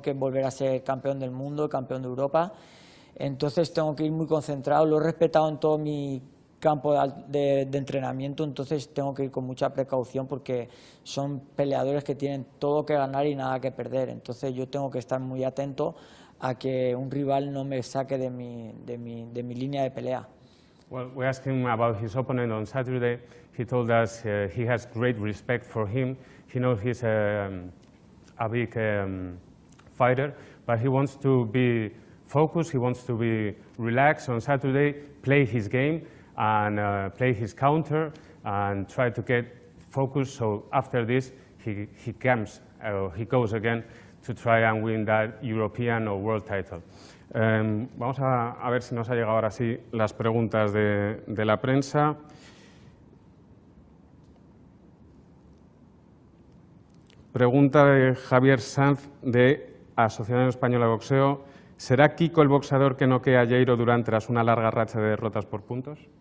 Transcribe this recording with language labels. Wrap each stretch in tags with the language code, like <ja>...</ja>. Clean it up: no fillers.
<es>Que volver a ser campeón del mundo, campeón de Europa. Entonces tengo que ir muy concentrado, lo he respetado en todo mi campo de entrenamiento, entonces tengo que ir con mucha precaución porque son peleadores que tienen todo que ganar y nada que perder. Entonces yo tengo que estar muy atento a que un rival no me saque de mi línea de pelea.</es> <en>Well, we asked him about his opponent on Saturday. He told us he has great respect for him. He knows he's a big fighter, but he wants to be focused. He wants to be relaxed on Saturday, play his game, and play his counter, and try to get focused. So after this, he goes again to try and win that European or world title.</en> <es>Vamos a ver si nos ha llegado ahora sí las preguntas de la prensa. Pregunta de Javier Sanz de Asociación Española de Boxeo. ¿Será Kiko el boxeador que noquea a Jairo Durán tras una larga racha de derrotas por puntos?</es>